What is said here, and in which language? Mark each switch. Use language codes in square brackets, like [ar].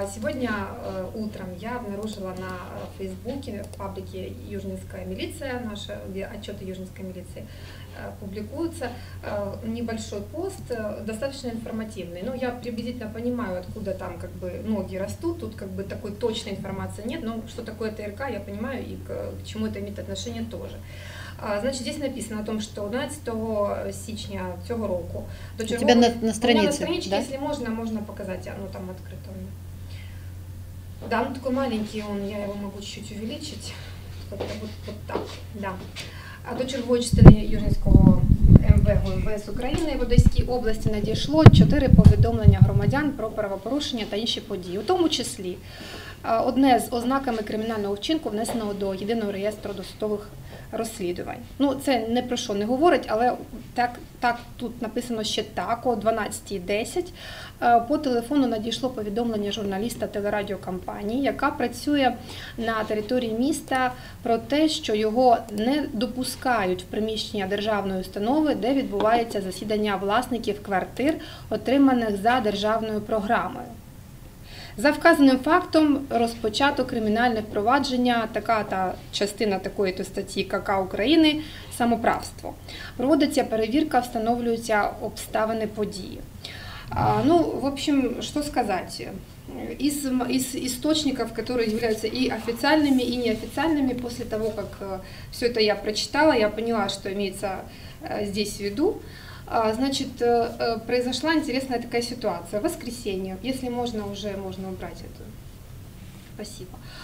[ru] Сегодня утром я обнаружила на Фейсбуке паблике «Южинская милиция», наши отчеты «Южинской милиции» публикуются, небольшой пост, достаточно информативный. Но я приблизительно понимаю, откуда там как бы ноги растут, тут как бы такой точной информации нет, но что такое ТРК, я понимаю, и к чему это имеет отношение тоже. Значит, здесь написано о том, что [uk] 12 січня цього року до чергового... [ru] У тебя на странице, у меня на страничке, да? Если можно, можно показать, оно там открыто. Да, он такой маленький, он, я его могу чуть-чуть увеличить. Вот так, да. [uk] А до чергової частини Южинського МВГУ МВС України в Одеській області надійшло 4 повідомлення громадян про правопорушення та інші події, у тому числі одне з ознаками кримінального вчинку, внесеного до єдиного реєстру досудових розслідувань. Ну, це не про що не говорить, але так тут написано ще так, о 12:10 по телефону надійшло повідомлення журналіста телерадіокомпанії, яка працює на території міста, про те, що його не допускають в приміщення державної установи, де відбувається засідання власників квартир, отриманих за державною програмою. За вказаним фактом розпочато кримінальне провадження, така та частина такої-то статті КК України, самоправство. Проводиться перевірка, встановлюються обставини події. [ru] Ну, в общем, [uk] що сказати? [ru] Из источников, которые являются и официальными, и неофициальными, после того, как все это я прочитала, я поняла, что имеется здесь в виду. Значит, произошла интересная такая ситуация. В воскресенье, если можно, уже можно убрать эту. Спасибо.